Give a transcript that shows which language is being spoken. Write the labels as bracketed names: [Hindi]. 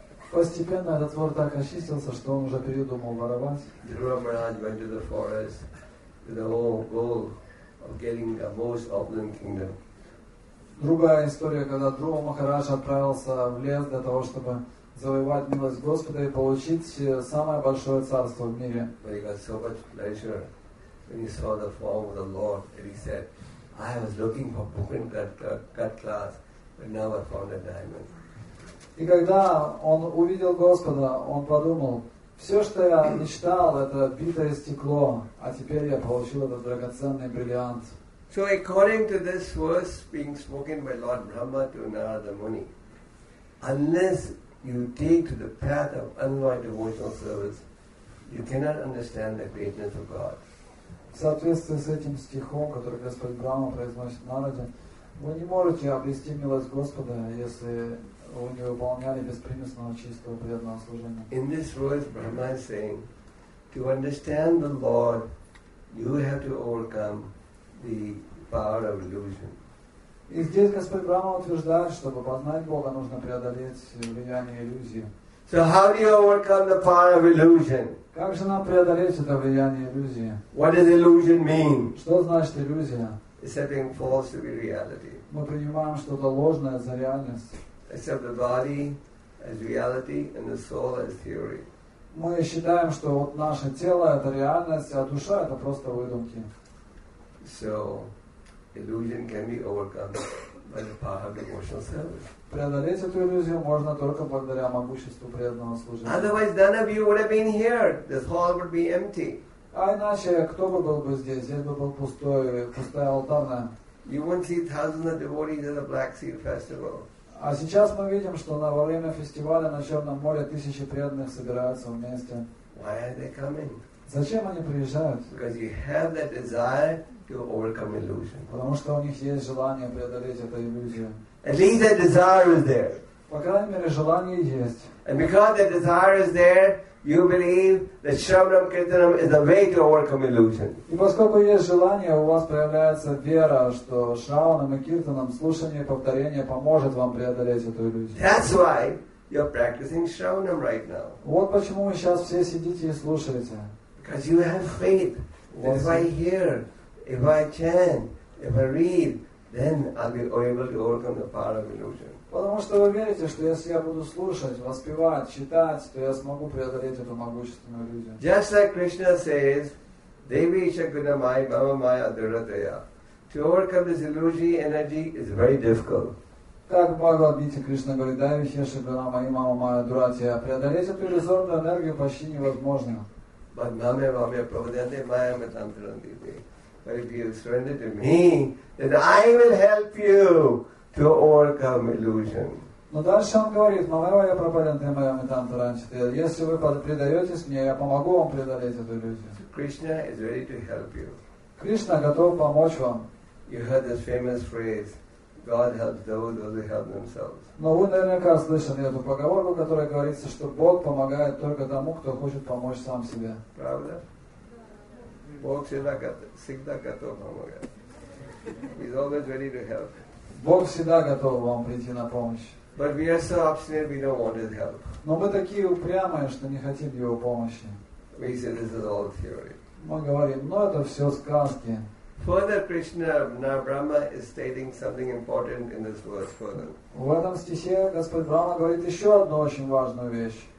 [Russian] Постепенно этот вор так очистился, что он уже передумал воровать. [English] Dhruva Maharaj went to the forest with the whole goal of getting the most opulent kingdom. [Russian] Другая история, когда Dhruva Maharaj отправился в лес для того, чтобы завоевать милость Господа и получить самое большое царство в мире. [English] But he got so much pleasure. When he saw the form of the Lord, and he said, "I was looking for broken cut glass, but now I found a diamond." [Russian] И когда он увидел Господа, он подумал: все, что я мечтал, это битое стекло, а теперь я получил этот драгоценный бриллиант. [English] So according to this verse being spoken by Lord Brahma to Narada Muni, unless you take to the path of unalloyed devotional service, you cannot understand the greatness of God. [Russian] В соответствии с этим стихом, который Господь Брама произносит на народе, вы не можете обрести милость Господа, если вы не выполняли беспримесного чистого преданного служения. [English] In this verse, Brahma is saying, to understand the Lord, you have to overcome the power of illusion. [Russian] И здесь Господь Брама утверждает, чтобы познать Бога, нужно преодолеть влияние иллюзии. [English] So how do you overcome the power of illusion? [Russian] Как же нам преодолеть это влияние иллюзии? [English] What does illusion mean? [Russian] Что значит иллюзия? [English] Accepting false to be reality. [Russian] Мы принимаем что-то ложное за реальность. [English] Accept the body as reality and the soul as theory. [Russian] Мы считаем, что вот наше тело это реальность, а душа это просто выдумки. [English] So illusion can be overcome by the power of devotional service. [Russian] Преодолеть эту иллюзию можно только благодаря могуществу преданного служения. [English] Otherwise, none of you would have been here. This hall would be empty. [Russian] А иначе кто бы был бы здесь? Здесь бы был пустая алтарная. [English] You won't see thousands of devotees at the Black Sea Festival. [Russian] А сейчас мы видим, что во время фестиваля на Черном море тысячи преданных собираются вместе. [English] Why are they coming? [Russian] Зачем они приезжают? [English] Because you have that desire to overcome illusion. [Russian] Потому что у них есть желание преодолеть эту иллюзию. [English] At least that desire is there. [Russian] По крайней мере, желание есть. [English] And because that desire is there, you believe that Shravanam Kirtanam is a way to overcome illusion. [Russian] И поскольку есть желание, у вас появляется вера, что Шраванам и Киртанам слушание и повторение поможет вам преодолеть эту иллюзию. [English] That's why you're practicing Shravanam right now. [Russian] Вот почему вы сейчас все сидите и слушаете. [English] Because you have faith. If I hear, if I chant, if I read, then I'll be able to overcome the power of illusion. [Russian] Потому что вы верите, что если я буду слушать, воспевать, читать, то я смогу преодолеть эту могущественную иллюзию. [English] Just like Krishna says, [Sanskrit] Devi Ishakunamai Bhavamaya Duratya. [English] To overcome this illusory energy is very difficult. [Russian] Так Бхагавадгите Кришна говорит, да, [Sanskrit] Вихеша Бхарама, и мама моя дуратья, [Russian] преодолеть эту иллюзорную энергию почти невозможно. [English] But if you surrender to me, then I will help you to overcome illusion. [Russian] Но дальше он говорит, [Sanskrit] Мамева я пропаленте Майами Тантаранчите. [Russian] Если вы предаетесь мне, я помогу вам преодолеть эту иллюзию. [English] Krishna is ready to help you. [Russian] Кришна готов помочь вам. [English] You heard this famous phrase, God helps those who help themselves. [Russian] Но вы наверняка слышали эту поговорку, которая говорится, что Бог помогает только тому, кто хочет помочь сам себе. Правда? Бог всегда готов помогать. [English] He's always ready to help. [Russian] Бог всегда готов вам прийти на помощь. [English] But we are so obstinate, we don't want his help. [Russian] Но мы такие упрямые, что не хотим его помощи. [English] We say this is all theory. [Russian] Мы говорим, ну это все сказки. [English] Further, Krishna, now Brahma is stating something important in this verse further. [Russian] В этом стихе Господь Брахма говорит еще одну очень важную вещь.